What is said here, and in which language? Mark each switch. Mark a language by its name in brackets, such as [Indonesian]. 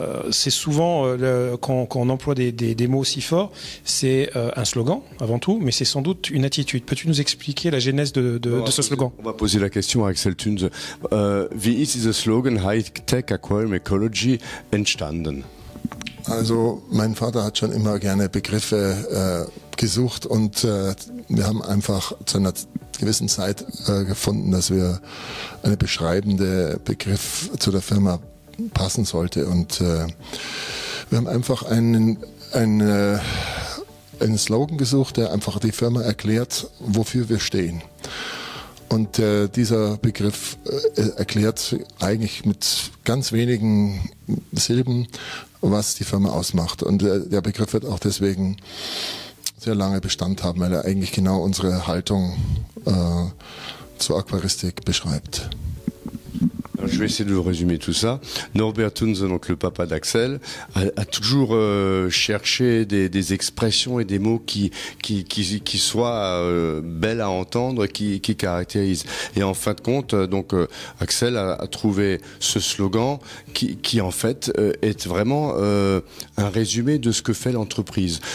[French] C'est souvent, quand on emploie des mots aussi forts, c'est un slogan avant tout, mais c'est sans doute une attitude. Peux-tu nous expliquer la genèse de ce slogan ? On va poser la question à Axel Tunes. [German] Wie ist der Slogan High-Tech Aquarium Ecology entstanden ? Also, mein Vater hat schon immer gerne Begriffe gesucht und wir haben einfach zu einer gewissen Zeit gefunden, dass wir einen beschreibenden Begriff zu der Firma passen sollte. Und wir haben einfach einen Slogan gesucht, der einfach die Firma erklärt, wofür wir stehen. Und dieser Begriff erklärt eigentlich mit ganz wenigen Silben, was die Firma ausmacht. Und der Begriff wird auch deswegen sehr lange Bestand haben, weil er eigentlich genau unsere Haltung zur Aquaristik beschreibt. [French] Alors, je vais essayer de vous résumer tout ça. Norbert Tunze, donc le papa d'Axel, a toujours cherché des expressions et des mots qui soient belles à entendre, qui caractérisent. Et en fin de compte, donc Axel a trouvé ce slogan qui en fait est vraiment un résumé de ce que fait l'entreprise.